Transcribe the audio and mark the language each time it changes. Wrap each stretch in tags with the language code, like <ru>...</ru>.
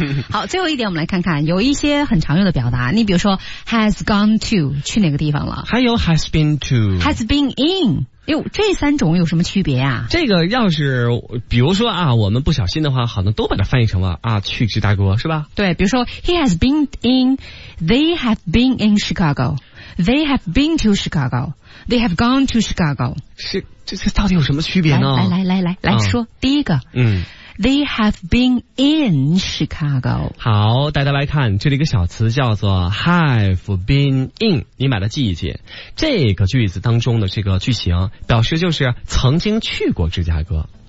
<zh>好，最后一点我们来看看，有一些很常用的表达，你比如说</zh> <en>has gone to，</en> <zh>去哪个地方了，还有</zh> <en>has been to， has been in，</en> <zh>呦，这三种有什么区别啊？这个要是比如说啊，我们不小心的话，好像都把它翻译成了啊，去芝加哥是吧？对，比如说</zh> <en>he has been in， they have been in Chicago， they have been to Chicago， they have gone to Chicago。</en> <zh>是，这到底有什么区别呢？来来来来 来， 来说、嗯、第一个，嗯，</zh> <en>they have been in Chicago。</en> <zh>好，带大家来看这里一个小词叫做</zh> <en>have been in，</en> <zh>你把它记一记，这个句子当中的这个句型表示就是曾经去过芝加哥，</zh>